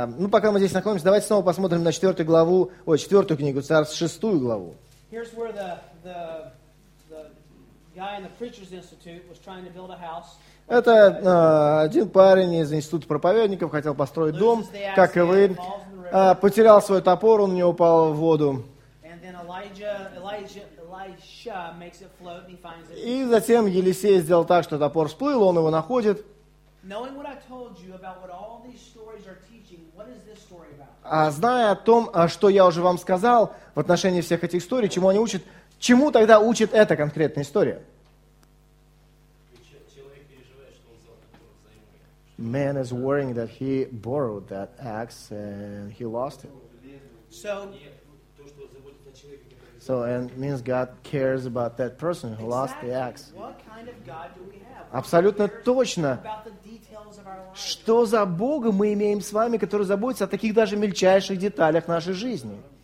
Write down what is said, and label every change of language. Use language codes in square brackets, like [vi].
[ru] Пока мы здесь находимся, давайте снова посмотрим на четвертую книгу Царств, шестую главу. [en] Here's where the guy in the Preacher's Institute was trying to build a house. [ru] Это один парень из института проповедников хотел построить дом, как и вы. Потерял свой топор, он не упал в воду. [en] And then Elisha makes it float and he finds it. [ru] И затем Елисей сделал так, что топор всплыл, он его находит. [en] Knowing what I told you about what all these stories are teaching, what is this story about? [ru] А зная о том, что я уже вам сказал в отношении всех этих историй, чему они учат, чему тогда учит эта конкретная история? [en] Man is worrying that he borrowed that axe and he lost it. So and means God cares about that person who lost the axe. What kind of God do we have? [ru] Абсолютно точно. Что за Бога мы имеем с вами, который заботится о таких даже мельчайших деталях нашей жизни?